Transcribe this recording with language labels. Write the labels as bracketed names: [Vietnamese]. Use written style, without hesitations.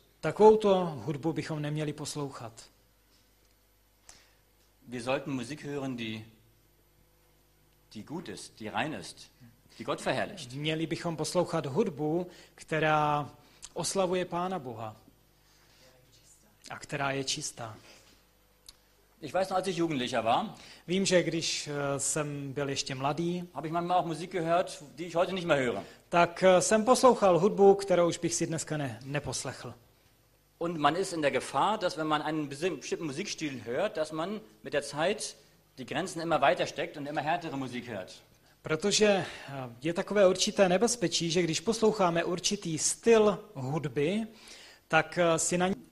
[Czech] Takovouto hudbu bychom neměli poslouchat. [German] Wir sollten Musik hören, die gut ist, die rein ist, die Gott verherrlicht. [Czech] Měli bychom poslouchat hudbu, která oslavuje Pána Boha a která je čistá. [German] Ich weiß noch, als ich Jugendlicher war. [Czech] Vím, že když jsem byl ještě mladý, [German] habe ich manchmal auch Musik gehört, die ich heute nicht mehr höre. [Czech] Tak jsem poslouchal hudbu, kterou už bych si dneska neposlechl. [German] Und man ist in der Gefahr, dass wenn man einen bestimmten Musikstil hört, dass man mit der Zeit die Grenzen immer weiter steckt und immer härtere Musik hört. [Czech] Protože je takové určité nebezpečí, že když posloucháme určitý styl hudby, tak si na